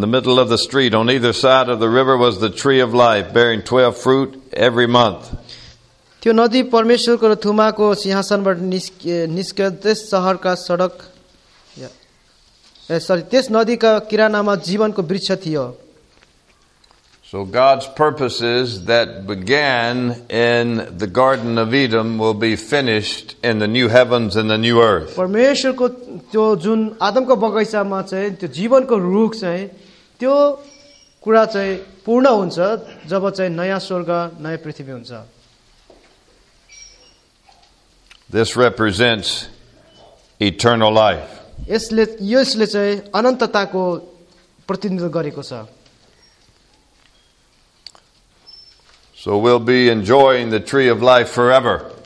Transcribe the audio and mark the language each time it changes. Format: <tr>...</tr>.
<en>the middle of the street, on either side of the river, was the tree of life, bearing 12 fruit every month.</en> <ne>त्यो नदी परमेश्वरको थुमाको सिंहासनबाट निस्केस शहरका सडक sorry त्यस नदीका किरानामा जीवनको वृक्ष थियो.</ne> <en>So God's purposes that began in the Garden of Eden will be finished in the new heavens and the new earth.</en> <ne>परमेश्वरको त्यो जुन आदमको बगैँचामा चाहिँ त्यो जीवनको रुख चाहिँ त्यो कुरा चाहिँ पूर्ण हुन्छ जब चाहिँ नयाँ स्वर्ग नयाँ पृथ्वी हुन्छ.</ne> <en>This represents eternal life.</en> <ne>यसले चाहिँ अनन्तताको प्रतिनिधित्व गरेको छ.</ne> <en>So we'll be enjoying the tree of life forever.</en>